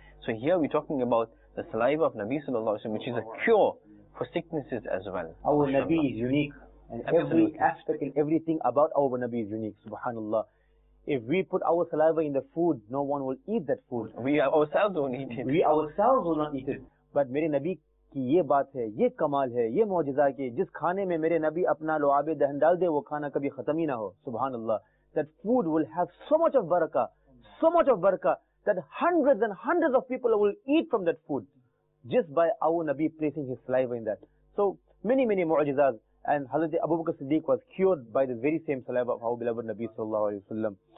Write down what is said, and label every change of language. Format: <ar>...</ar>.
<en>So here we're talking about the saliva of Nabi Sallallahu Alaihi Wasallam, which is a cure for sicknesses as well. Our Nabi is unique. And every aspect and everything about our Nabi is unique. Subhanallah. If we put our saliva in the food, no one will eat that food. We ourselves won't eat it. But Mary Nabi</en> <ur>کہ یہ بات ہے, یہ کمال ہے, یہ معجزہ ہے کہ جس کھانے میں میرے نبی اپنا لعاب دہن ڈال دے وہ کھانا کبھی ختم ہی نہ ہو.</ur> <en>سبحان اللہ, that food will have so much of barakah that hundreds and hundreds of people will eat from that food just by our Nabi placing his saliva in that. So many many mu'ajizas, and Hazrat Abu Bakr Siddiq was cured by the very same saliva of our beloved Nabi sallallahu alaihi wasallam.</en>